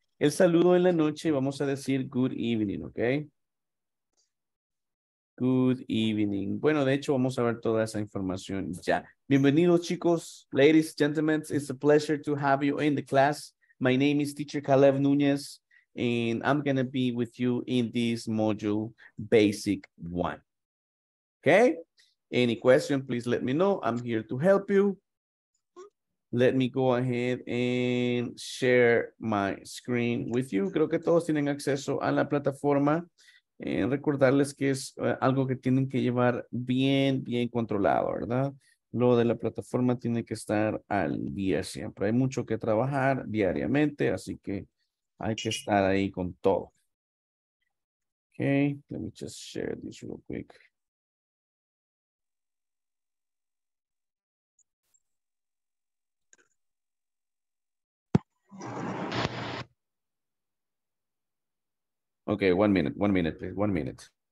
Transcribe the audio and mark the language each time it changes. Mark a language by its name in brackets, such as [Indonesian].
[Spanish] El saludo en la noche, vamos a decir good evening, okay? Good evening. Bueno, de hecho, vamos a ver toda esa información ya. Bienvenidos, chicos. [English] Ladies, gentlemen, it's a pleasure to have you in the class. My name is Teacher Caleb Núñez. And I'm going to be with you in this module, basic one. Okay? Any question, please let me know. I'm here to help you. Let me go ahead and share my screen with you. [Spanish] Creo que todos tienen acceso a la plataforma. And recordarles que es algo que tienen que llevar bien, bien controlado, ¿verdad? Lo de la plataforma tiene que estar al día siempre. Hay mucho que trabajar diariamente, así que hay que estar ahí con todo. [English] Okay, let me just share this real quick. Okay, one minute, please, 1 minute.